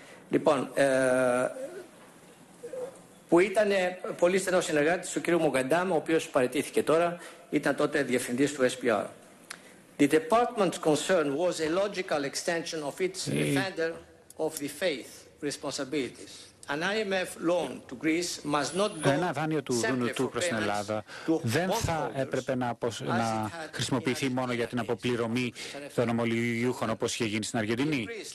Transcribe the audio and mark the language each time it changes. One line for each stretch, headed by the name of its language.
Greek: Λοιπόν, που ήταν πολύ στενός συνεργάτης του κ. Μογκαντάμ, ο οποίος παραιτήθηκε τώρα, ήταν τότε διευθυντής του SPR.
English: The department's concern was a logical extension of its defender of the faith responsibilities. An IMF loan to Greece must not go.
Greek: Ένα δάνειο του ΔΝΤ προς την Ελλάδα δεν θα έπρεπε να χρησιμοποιηθεί μόνο για την αποπληρωμή των ομολογιούχων όπως είχε γίνει στην Αργεντινή.